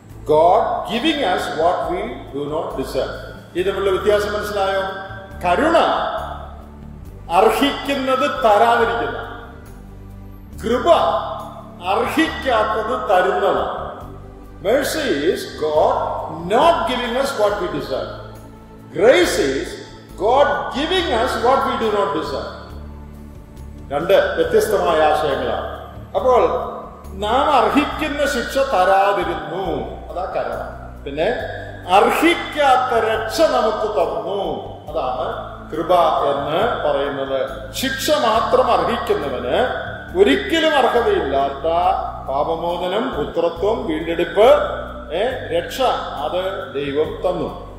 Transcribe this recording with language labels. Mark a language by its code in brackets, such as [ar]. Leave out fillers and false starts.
[en] God giving us what we do not deserve. [ml] ഈ തമ്മിലുള്ള വ്യത്യാസം മനസ്സിലായോ? കരുണ അർഹിക്കുന്നത് തരാതിരിക്കുന്ന, കൃപ അർഹിക്കാത്തത് തരുന്നതാണ്. [en] Mercy is God not giving us what we deserve. Grace is God giving us what we do not deserve. [ml] രണ്ട് വ്യത്യസ്തമായ ആശയങ്ങളാണ്. അപ്പോൾ നാം അർഹിക്കുന്ന ശിക്ഷ തരാതിരുന്നു, അതാ കരുണ. പിന്നെ അർഹിക്കാത്ത രക്ഷ നമുക്ക് തന്നു, അതാണ് കൃപ എന്ന് പറയുന്നത്. ശിക്ഷ മാത്രം അർഹിക്കുന്നവന് ഒരിക്കലും അർഹതയില്ലാത്ത പാപമോചനം, പുത്രത്വം, വീണ്ടെടുപ്പ്, രക്ഷ അത് ദൈവം തന്നു.